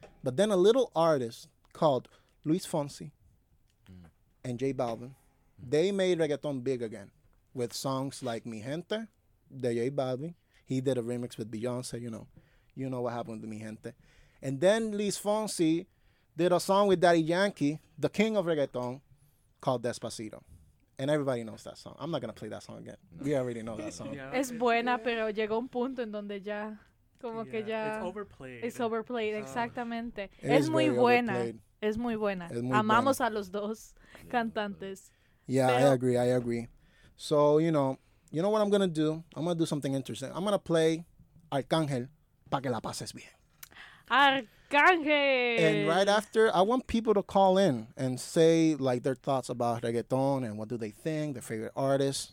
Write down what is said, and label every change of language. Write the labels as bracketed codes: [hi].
[en] But then a little artist called Luis Fonsi and J Balvin, they made reggaeton big again with songs like Mi Gente, de J Balvin. He did a remix with Beyoncé, you know. You know what happened with Mi Gente. And then Luis Fonsi did a song with Daddy Yankee, the king of reggaeton, called Despacito. And everybody knows that song. I'm not going to play that song again. No. We already know that song. Yeah. [es] Es buena, pero llegó un punto en donde ya, como yeah, que ya... [en] It's overplayed. It's overplayed, [es] exactamente. Es muy buena. Es muy buena. Es muy Amamos buena. A los dos yeah, cantantes. [en] Yeah, pero, I agree. So, you know what I'm going to do? I'm going to do something interesting. I'm going to play Arcángel [es] para que la pases bien. [en] Arcángel! And right after, I want people to call in and say, like, their thoughts about reggaeton and what do they think, their favorite artists.